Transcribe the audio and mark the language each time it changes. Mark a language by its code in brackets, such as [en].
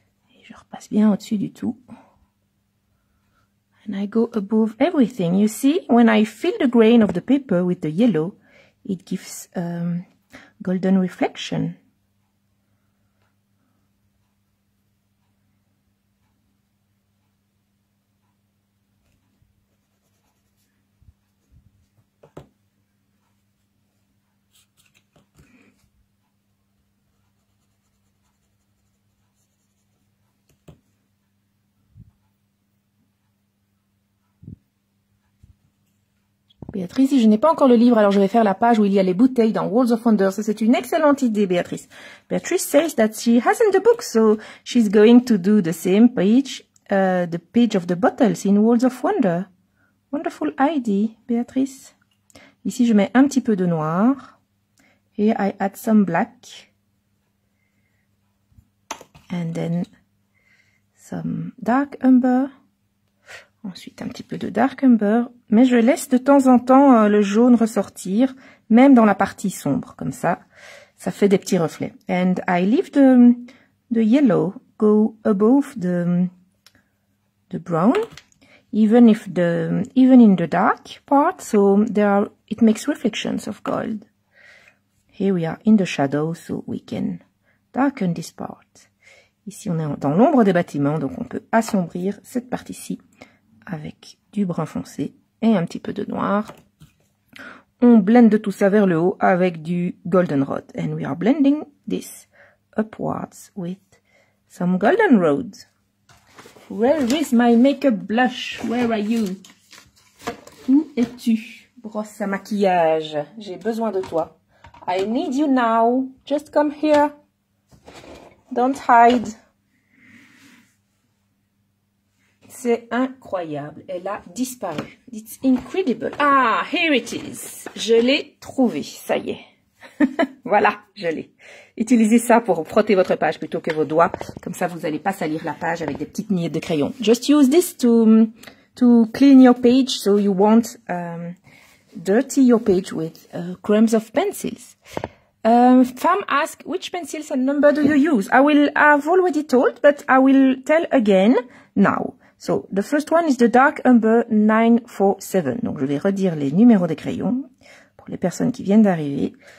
[fr] Et je repasse bien au-dessus du tout. [en] And I go above everything. You see, when I fill the grain of the paper with the yellow, it gives golden reflection. [fr] Béatrice, je n'ai pas encore le livre, alors je vais faire la page où il y a les bouteilles dans Worlds of Wonders. C'est une excellente idée, Béatrice. [en] Béatrice says that she hasn't the book, so she's going to do the same page, the page of the bottles in Worlds of Wonder. Wonderful idea, Béatrice. [fr] Ici, je mets un petit peu de noir. [en] Here I add some black. And then some dark umber. [fr] Ensuite, un petit peu de dark umber. Mais je laisse de temps en temps le jaune ressortir, même dans la partie sombre, comme ça. Ça fait des petits reflets. [en] And I leave the yellow go above the brown, even in the dark part. So there are, it makes reflections of gold. Here we are in the shadow, so we can darken this part. [fr] Ici, on est dans l'ombre des bâtiments, donc on peut assombrir cette partie-ci avec du brun foncé et un petit peu de noir. On blende tout ça vers le haut avec du goldenrod. [en] And we are blending this upwards with some goldenrod. Where is my makeup blush? Where are you? [fr] Où es-tu? Brosse à maquillage. J'ai besoin de toi. [en] I need you now. Just come here. Don't hide. [fr] C'est incroyable. Elle a disparu. [en] It's incredible. Ah, here it is. [fr] Je l'ai trouvé. Ça y est. Voilà, je l'ai. Utilisez ça pour frotter votre page plutôt que vos doigts. Comme ça, vous n'allez pas salir la page avec des petites miettes de crayon. [en] Just use this to clean your page so you won't dirty your page with crumbs of pencils. Femme ask, which pencils and number do you use? I've already told, but I will tell again now. So, the first one is the dark umber 947. [fr] Donc, je vais redire les numéros des crayons pour les personnes qui viennent d'arriver.